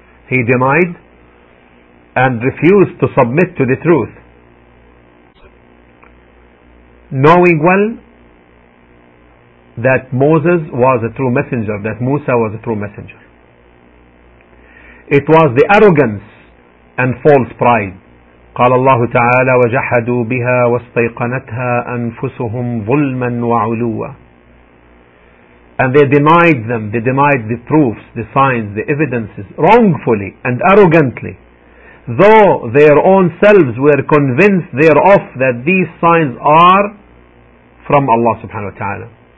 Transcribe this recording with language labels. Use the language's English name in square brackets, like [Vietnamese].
[English] He denied and refused to submit to the truth, knowing well that Moses was a true messenger, that Musa was a true messenger. It was the arrogance and false pride. [Arabic] قال الله تعالى وجحدوا بها واستيقنتها أنفسهم ظلما وعلوا. [English] And they denied them, they denied the proofs, the signs, the evidences, wrongfully and arrogantly, though their own selves were convinced thereof, that these signs are from Allah subhanahu wa ta'ala.